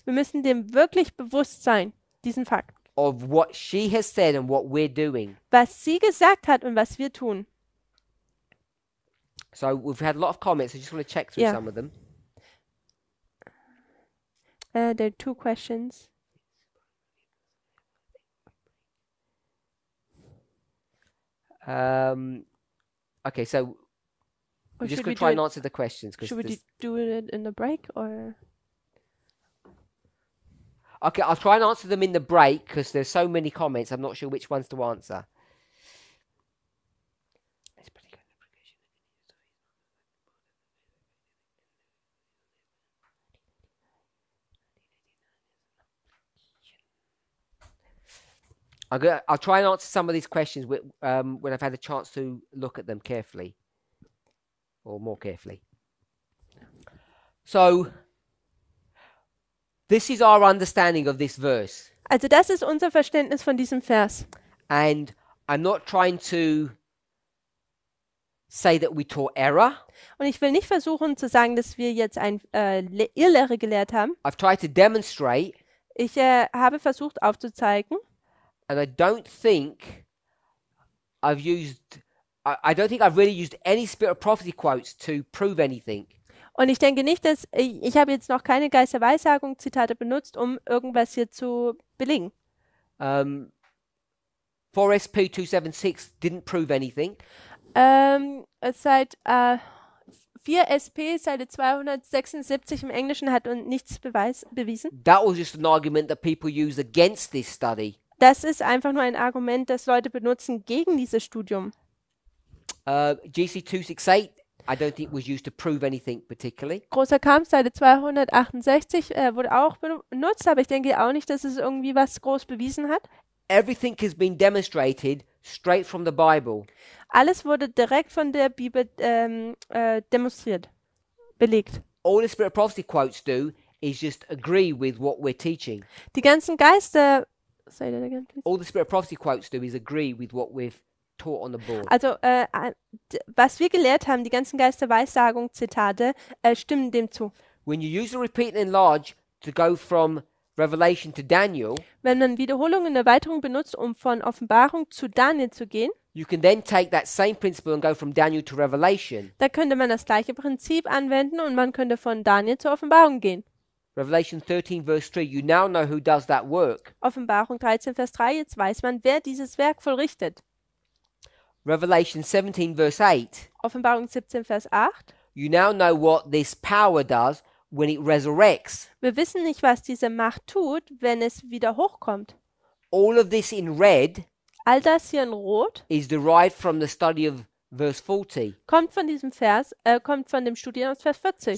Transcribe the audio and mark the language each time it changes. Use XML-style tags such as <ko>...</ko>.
<de>Wir müssen dem wirklich bewusst sein, diesen Fakt.</de> <en>Of what she has said and what we're doing.</en> <de>Was sie gesagt hat und was wir tun.</de> <en>So we've had a lot of comments. I just want to check through some of them. There are two questions. Okay, so we're just gonna try and answer the questions. Should we do it in the break or? Okay, I'll try and answer them in the break because there's so many comments. I'm not sure which ones to answer. I'll try and answer some of these questions when I've had a chance to look at them carefully, or more carefully. So, this is our understanding of this verse.</en> <de>Also, das ist unser Verständnis von diesem Vers.</de> <en>And I'm not trying to say that we taught error.</en> <de>Und ich will nicht versuchen zu sagen, dass wir jetzt ein Irrlehre gelehrt haben.</de> <en>I've tried to demonstrate.</en> <de>Ich habe versucht aufzuzeigen.</de> <en>And I don't think I've used, I don't think I've really used any spirit of prophecy quotes to prove anything.</en> <de>Und ich denke nicht, dass ich habe jetzt noch keine Geist der Weissagung Zitate benutzt, um irgendwas hier zu belegen.</de> <en>4SP 276 didn't prove anything.</en> <de>Seit 4SP Seite 276 im Englischen hat und nichts bewiesen.</de> <en>That was just an argument that people use against this study.</en> <de>Das ist einfach nur ein Argument, das Leute benutzen gegen dieses Studium.</de> <en>GC 268, I don't think was used to prove anything particularly.</en> <de>Großer Kampf, Seite 268, wurde auch benutzt, aber ich denke auch nicht, dass es irgendwie was groß bewiesen hat.</de> <en>Everything has been demonstrated straight from the Bible.</en> <de>alles wurde direkt von der Bibel demonstriert, belegt.</de> <en>All the spirit of prophecy quotes do is just agree with what we're teaching.</en> <de>Die ganzen Geister,</de> <en>say that again, please. All the spirit of prophecy quotes do is agree with what we've taught on the board.</en> <de>Also, was wir gelehrt haben, die ganzen Geisterweissagung-Zitate, stimmen dem zu.</de> <en>When you use a repeat and enlarge to go from Revelation to Daniel,</en> <de>wenn man Wiederholung und Erweiterung benutzt, um von Offenbarung zu Daniel zu gehen,</de> <en>you can then take that same principle and go from Daniel to Revelation.</en> <de>Da könnte man das gleiche Prinzip anwenden und man könnte von Daniel zur Offenbarung gehen.</de> <en>Revelation 13 verse 3, you now know who does that work.</en> <de>Offenbarung 13 Vers 3, jetzt weiß man, wer dieses Werk vollrichtet.</de> <en>Revelation 17 verse 8.</en> <de>Offenbarung 17 Vers 8.</de> <en>You now know what this power does when it resurrects.</en> <de>Wir wissen nicht, was diese Macht tut, wenn es wieder hochkommt.</de> <en>All of this in red.</en> <de>All das hier in rot.</de> <en>Is derived from the study of verse 40.</en> <de>Kommt von diesem Vers, kommt von dem Studium aus Vers 40.</de>